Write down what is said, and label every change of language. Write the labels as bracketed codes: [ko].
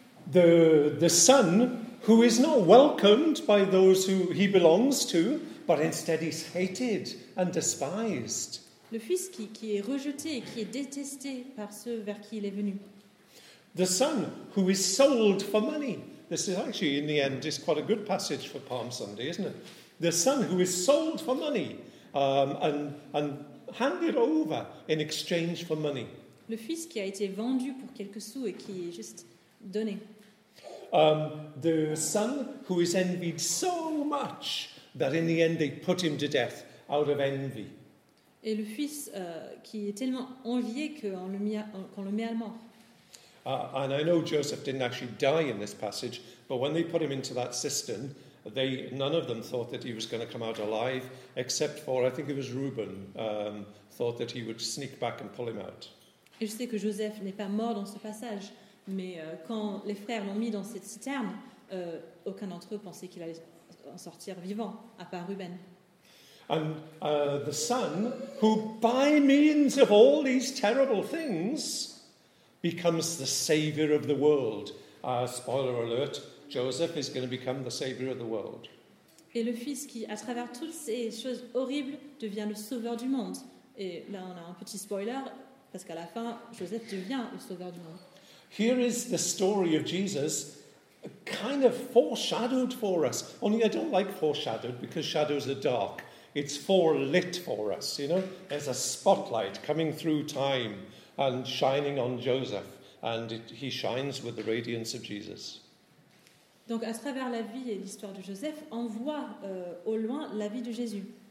[en] The son who is not welcomed by those who he belongs to, but instead is hated and despised. [fr] Le fils qui est rejeté et qui est détesté par ceux vers qui il est venu. [en] The son who is sold for money. This is actually, in the end, is quite a good passage for Palm Sunday, isn't it? The son who is sold for money and handed over in exchange for money. [fr] Le fils qui a été vendu pour quelques sous et qui est juste donné. [en] The son who is envied so much that in the end they put him to death out of envy. [fr] Et le fils qui est tellement envié qu'on le met à mort. [en] And I know Joseph didn't actually die in this passage, but when they put him into that cistern, none of them thought that he was going to come out alive, except for, I think it was Reuben, thought that he would sneak back and pull him out. [fr] Et je sais que Joseph n'est pas mort dans ce passage, mais quand les frères l'ont mis dans cette citerne, aucun d'entre eux pensait qu'il allait en sortir vivant, à part Reuben. [en] And the son, who by means of all these terrible things... becomes the savior of the world. Spoiler alert, Joseph is going to become the savior of the world. [fr] Et le fils qui, à travers toutes ces choses horribles, devient le sauveur du monde. Et là, on a un petit spoiler, parce qu'à la fin, Joseph devient le sauveur du monde. [en] Here is the story of Jesus, kind of foreshadowed for us. Only I don't like foreshadowed, because shadows are dark. It's forelit for us, you know? There's a spotlight coming through time. And shining on Joseph, and he shines with the radiance of Jesus. [fr] Donc, à travers la vie et l'histoire de Joseph, on voit au loin la vie de Jésus.